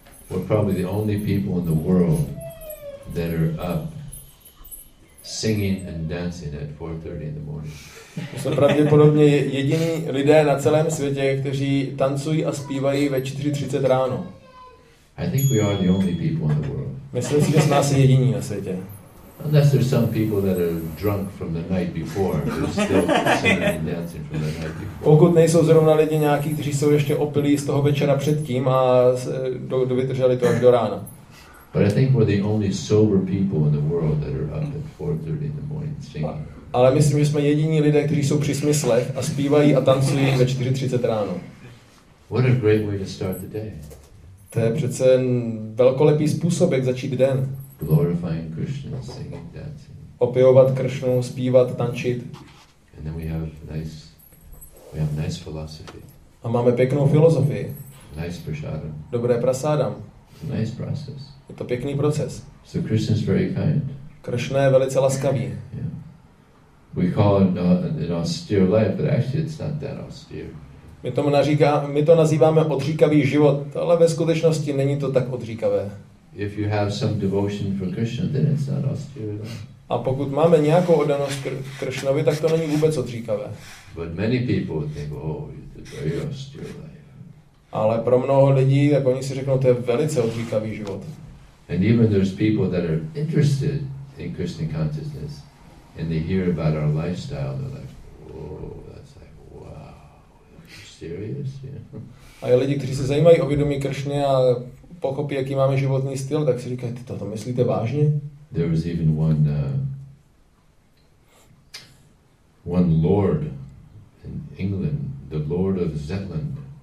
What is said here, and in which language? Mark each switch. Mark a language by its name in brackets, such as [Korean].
[English] We're probably the only people in the world that are up singing and dancing at 4:30 in the morning. [Czech] Jsme pravděpodobně jediní lidé na celém světě, kteří tancují a zpívají ve 4:30 ráno. [English] I think we are the only people in the world. [Czech] Myslím si, že jsme asi jediní na světě. [English] Unless there's some people that are drunk from the night before, who still singing and dancing from the night before. [Czech] Pokud nejsou zrovna lidi nějaký, kteří jsou ještě opilí z toho večera předtím a dovydrželi to až do rána. [English] But I think we're the only sober people in the world that are up at 4:30 in the morning singing. [Czech] Ale myslím, že jsme jediní lidé, kteří jsou při smyslech a zpívají a tancují ve 4:30 ráno. [English] What a great way to start the day. [Czech] To je přece velkolepý způsob, jak začít den. [English] Glorifying Krishna, singing, dancing. [Czech] Opěvovat Kršnu, zpívat, tančit. [English] And then we have nice philosophy. [Czech] A máme pěknou filozofii. [English] Nice prasadam. [Czech] Dobré prasádam. [English] Nice process. [Czech] Je to pěkný proces. [English] So Krishna is very kind. [Czech] Krishna je velice laskavý. [English] Yeah. We call it an austere life, but actually it's not that austere. [Czech] My to nazýváme odříkavý život, ale ve skutečnosti není to tak odříkavé. [English] If you have some devotion for Krishna, then it's not austere. [Czech] A pokud máme nějakou oddanost Krishnovi, tak to není vůbec odříkavé. [English] But many people think, oh, it's very austere life. [Czech] Ale pro mnoho lidí, tak oni si řeknou, to je velice odříkavý život. [English] And even there's people that are interested in Krishna consciousness, and they hear about our lifestyle, they're like, whoa, that's like, wow, are you serious? Yeah. [Czech] A je lidi, kteří se zajímají o vědomí Kršny a pochopí, jaký máme životní styl, tak si říkají, ty to myslíte vážně? [English] There was even one lord in England, the Lord of Zetland.